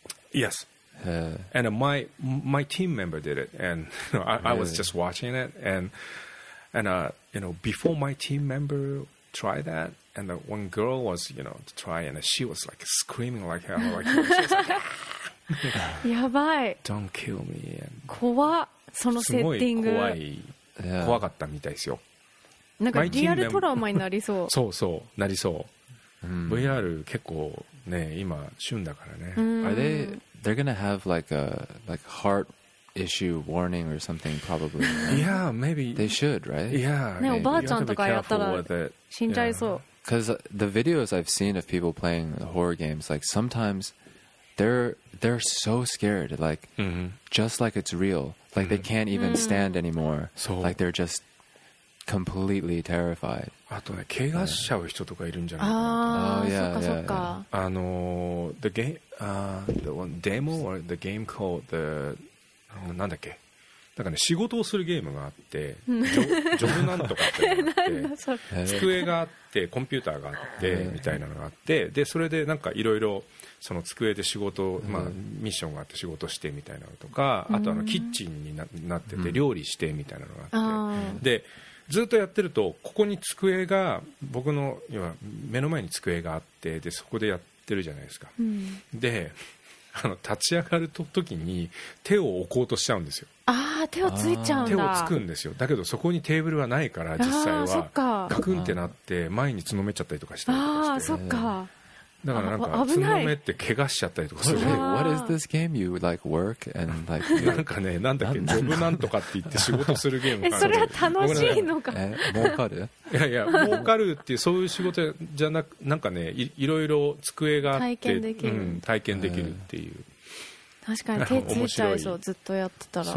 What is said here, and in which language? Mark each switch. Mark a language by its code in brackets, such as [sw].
[en] Yes. And my team member did it. And you know, I was just watching it. And you know, before my team member tried that. And the one girl was, you know, to try, and she was like screaming like hell, like, she was like, [ja] やばい。 [en] Don't kill me. [ja] 怖。そのセッティング。すごい怖い。怖かったみたいですよ。なんかリアルトラウマになりそう。そうそう、なりそう。うん、VR 結構ね今旬だからね。 [en] Are they? They're gonna have like a heart issue warning or something probably. Yeah, maybe they should, right? Yeah. [ja] ね、おばあちゃんとかやったら死んじゃいそう。 [en] Because the videos I've seen of people playing horror games, like sometimes they're so scared, like just like it's real, like they can't even stand anymore, like they're just completely terrified. [ja] あとね、怪我しちゃう人とかいるんじゃないかな。ああ、そっかそっか。 [en] あの、the game, the one demo or the game called the [ja] なんだっけ。なんかね、仕事をするゲームがあって、ジョブなんとかってのがあって、机があってコンピューターがあってみたいなのがあって、でそれでなんかいろいろその机で仕事、まあミッションがあって仕事してみたいなのとか、あとあのキッチンに なってて料理してみたいなのがあって、でずっとやってると、ここに机が、僕の要は目の前に机があって、でそこでやってるじゃないですか。で、あの立ち上がる時に手を置こうとしちゃうんですよ。あ、手をついちゃうんだ。手をつくんですよ。だけどそこにテーブルはないから、実際はそっか、カクンってなって前につのめちゃったりとかしたりとかして、あ、そっか。だからなんかつのめって怪我しちゃったりとかする。 [en] What is this game you like work and like [ja] なんかね、なんだっけ、ジョブなんとかって言って仕事するゲームえ、それは楽しいのか。儲かる。いやいや、儲かるっていうそういう仕事じゃなく、なんかね、 いろいろ机があって体験できる、うん、体験できるっていう。確かに手ついちゃいそう、ずっとやってたら。